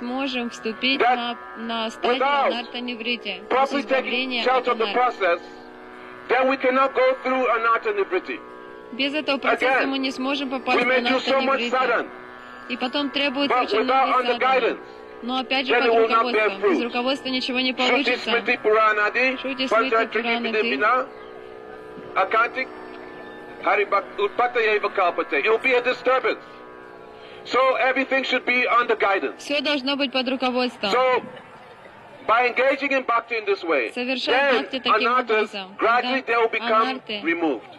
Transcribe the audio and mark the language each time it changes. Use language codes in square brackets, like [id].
[en] That without properly taking shelter of the process, then we cannot go through anatta nivritti. Again, we may do so much sadhan, but without under guidance, [ru] но опять же под руководством, без руководства ничего не получится. [en] It will be a disturbance. So everything should be under guidance. So by engaging in bhakti in this way, then anattas, gradually they will become removed.